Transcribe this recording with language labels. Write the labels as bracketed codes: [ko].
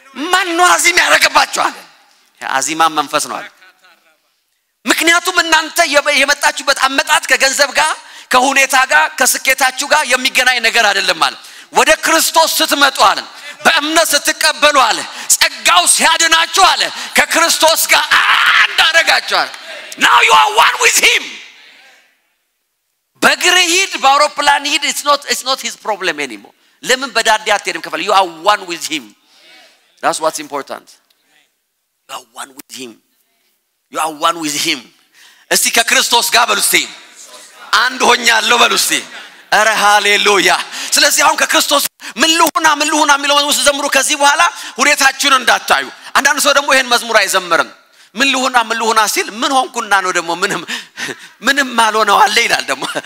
[am] ማን ነው አዚም ያረጋባችኋል? አዚማ መንፈስ ነው አለ። ምክንያቱም እናንተ የመጣችሁበት አመጣጥ ከገንዘብ ጋር ከሁኔታ ጋር ከስኬታችሁ ጋር የሚገናኝ ነገር አይደለም አለ። ወደ ክርስቶስ ስትመጡ አለ፣ በእምነት ስትቀበሉ አለ፣ ጸጋው ሲያድናችሁ አለ፣ ከክርስቶስ ጋር አንድ አረጋችኋል። [en] Now you are one with him። [am] በግሬ ሂድ በአውሮፕላን ሂድ [en] it's not his problem anymore። [am] ለምን በዳዴ አትሄድም ከፈለ? [en] You are one with him, that's what's important. You are one with him, you are one with him. [am] እስቲ ከክርስቶስ ጋር በሉስቲ አንድ ሆኛለሁ በሉስቲ። አረ ሃሌሉያ። ስለዚህ አሁን ከክርስቶስ ምን ልሁና የሚለው መዝሙር ዘምሩ። ከዚህ በኋላ ሁኔታችሁን እንዳታዩ። አንዳንድ ሰው ደግሞ ይሄን መዝሙር አይዘምርም። ምን ልሁና ሲል ምን ሆንኩና ነው ደግሞ ምንም ማልሆነው አለ ይላል ደግሞ።